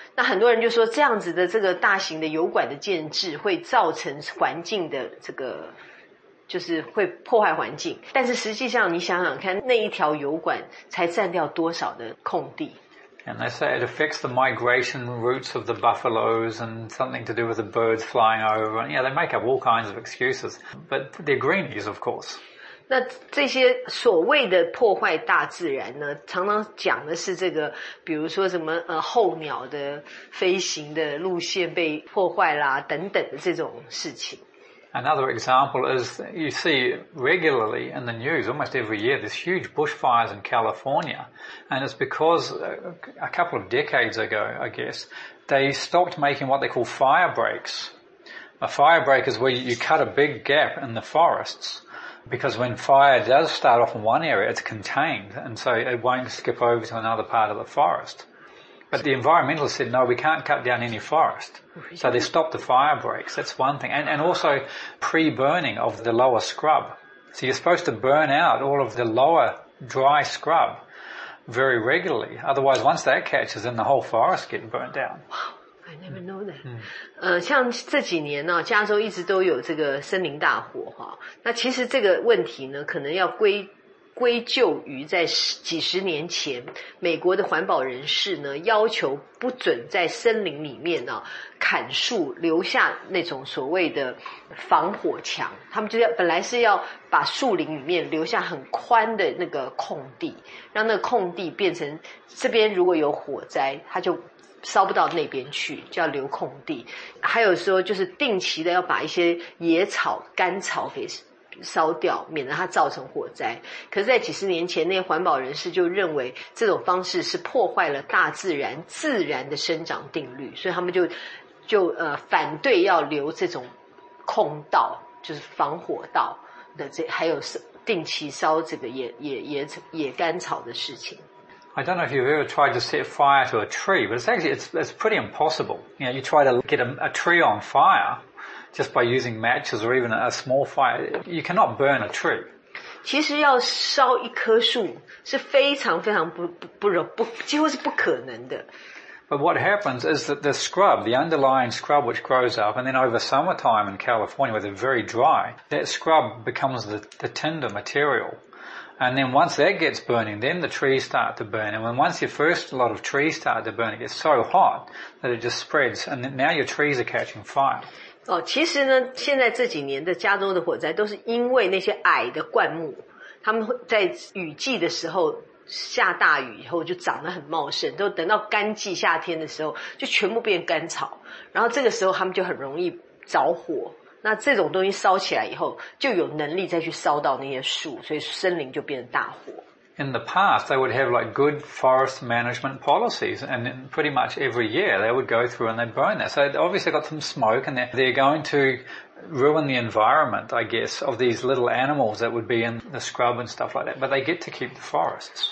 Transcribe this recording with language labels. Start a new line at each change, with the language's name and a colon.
Chinese: 那很多人就说，这样子的这个大型的油管的建制会造成环境的这个。就是会破坏环境，但是实际上你想想看，那一条油管才占掉多少的空地。
English: And they say it affects the migration routes of the buffaloes and something to do with the birds flying over. Yeah, they make up all kinds of excuses. But they're greenies, of course.
Chinese: 那这些所谓的破坏大自然呢，常常讲的是这个，比如说什么候鸟的飞行的路线被破坏啦，等等的这种事情。
English: Another example is you see regularly in the news almost every year there's huge bushfires in California, and it's because a couple of decades ago, I guess, they stopped making what they call fire breaks. A fire break is where you cut a big gap in the forests, because when fire does start off in one area, it's contained, and so it won't skip over to another part of the forest. But the environmentalists said, no, we can't cut down any forest. So they stopped the fire breaks. That's one thing. And also pre-burning of the lower scrub. So you're supposed to burn out all of the lower dry scrub very regularly. Otherwise, once that catches, then the whole forest gets burnt down. Wow, I never know that.
Chinese: 像这几年呢，加州一直都有这个森林大火哈。那其实这个问题呢，可能要归咎于在几十年前，美国的环保人士呢，要求不准在森林里面呢砍树，留下那种所谓的防火墙。他们就要本来是要把树林里面留下很宽的那个空地，让那个空地变成这边如果有火灾，它就烧不到那边去，就要留空地。还有说就是定期的要把一些野草、干草给烧掉，免得它造成火灾。可是在几十年前，那些环保人士就认为这种方式是破坏了大自然自然的生长定律，所以他们就反对要留这种空道，就是防火道的这，还有定期烧这个野干草的事情。
English: I don't know if you've ever tried to set fire to a tree, but it's pretty impossible. You know, you try to get a tree on fire. Just by using matches or even a small fire, you cannot burn a tree.
Chinese: 其实要烧一棵树是非常非常不几乎是不可能的。
English: But what happens is that the scrub, the underlying scrub which grows up, and then over summertime in California where they're very dry, that scrub becomes the tinder material. And then once that gets burning, then the trees start to burn. And when once your first lot of trees start to burn, it gets so hot that it just spreads, and now your trees are catching fire.
Chinese: 哦，其实呢，现在这几年的加州的火灾都是因为那些矮的灌木，他们在雨季的时候下大雨以后就长得很茂盛，都等到干季夏天的时候就全部变干草，然后这个时候他们就很容易着火。那这种东西烧起来以后，就有能力再去烧到那些树，所以森林就变成大火。
English: In the past, they would have like good forest management policies, and pretty much every year they would go through and they'd burn that. So they obviously got some smoke, and they're going to ruin the environment, I guess, of these little animals that would be in the scrub and stuff like that. But they get to keep the forests.